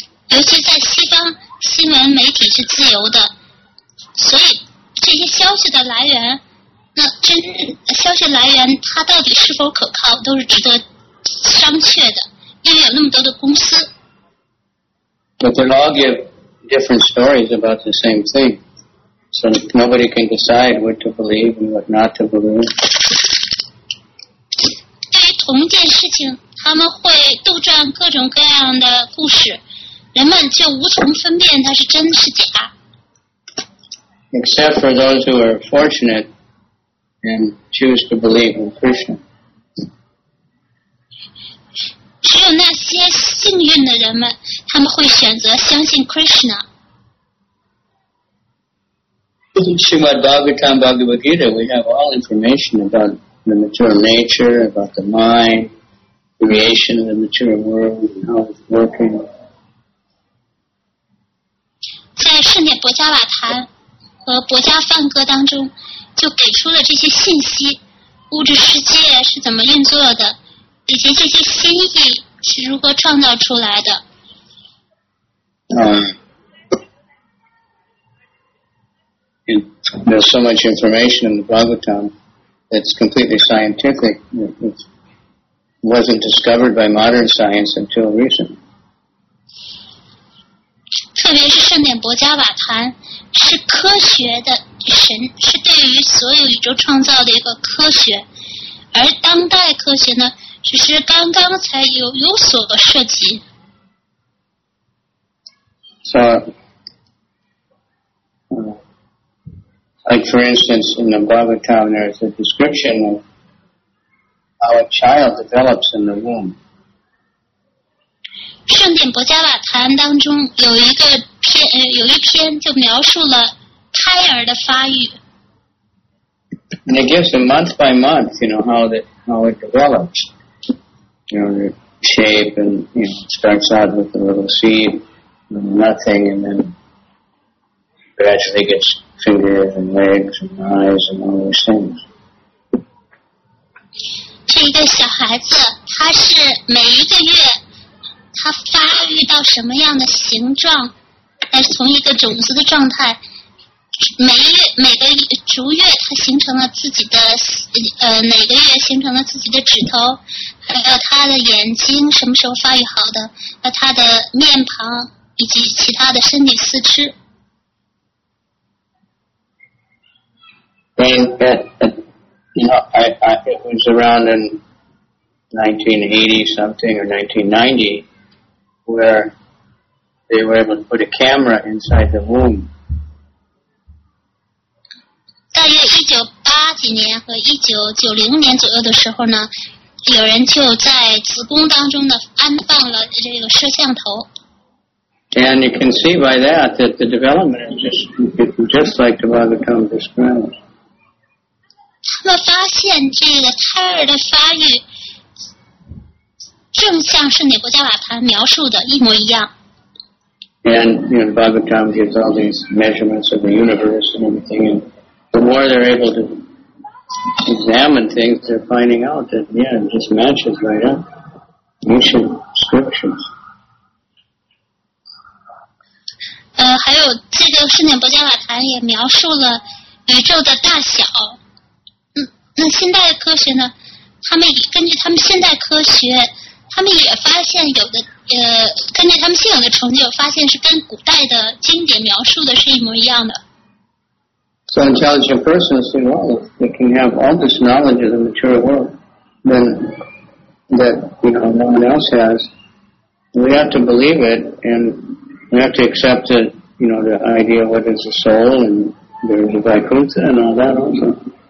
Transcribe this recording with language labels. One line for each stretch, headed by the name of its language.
Chinese: 尤其在西方，新闻媒体是自由的，所以这些消息的来源，那真消息来源它到底是否可靠，都是值得商榷的，因为有那么多的公司。
English: But they all give different stories about the same thing, so nobody can decide what to believe and what not to believe.
Chinese: 对于同一件事情，他们会杜撰各种各样的故事。人们就无从分辨它是真是假。
English: Except for those who are fortunate and choose to believe in Krishna.
Chinese: 只有那些幸运的人们，他们会选择相信 Krishna。
English: Srimad Bhagavatam Bhagavad Gita, we have all information about the material nature, about the mind, creation of the material world, and how it's working.
Chinese: 在圣典博迦瓦坛和博迦梵歌当中就给出了这些信息，物质世界是怎么运作的，以及这些心意是如何创造出来的。
English: There's so much information in the Bhagavatam that's completely scientific. It wasn't discovered by modern science until recently.
Chinese: 特别是圣典博迦瓦坛是科学的神，是对于所有宇宙创造的一个科学，而当代科学呢，只是刚刚才有所的涉及。
English: So, like for instance, in the Bhagavatam, there is a description of how a child develops in the womb.
Chinese: 圣典博迦瓦坛当中有一个篇，有一篇就描述了胎儿的发育。
English: And it gives them month by month, you know, how it develops, you know, the shape, and you know, starts out with a little seed, and nothing, and then gradually gets fingers and legs and eyes and all those things.
Chinese: 这一个小孩子，他是每一个月。它发育到什么样的形状，但是从一个种子的状态，每个逐月它形成了自己的哪个月形成了自己的指头，还有它的眼睛什么时候发育好的，和它的面庞以及其他的身体四肢。
English: It was around in 1980 something or 1990. Where they were able to put a camera inside the womb.
Chinese: 大约一九八几年和一九九零年左右的时候呢，有人就在子宫当中呢安放了这个摄像头。
English: And you can see by that the development is just like the Bhagavatam describes.
Chinese: 他们发现这个胎儿的发育。正像圣典博迦瓦坛描述的一模一样。
English: And you know, Bhagavatam gives all these measurements of the universe and everything. And the more they're able to examine things, they're finding out that yeah, it just matches right up ancient scriptures.
Chinese: 还有这个圣典博迦瓦坛也描述了宇宙的大小。嗯，那现代科学呢？他们也根据他们现代科学。他们也发现有的根据他们现有的成就发现是跟古代的经典描述的是一模一样的。
English: So intelligent person is saying, well, if they can have all this knowledge of the material world, then that, you know, no one else has. We have to believe it, and we have to accept it, you know, the idea of what is a soul, and there's a Vaikuntha and all that also.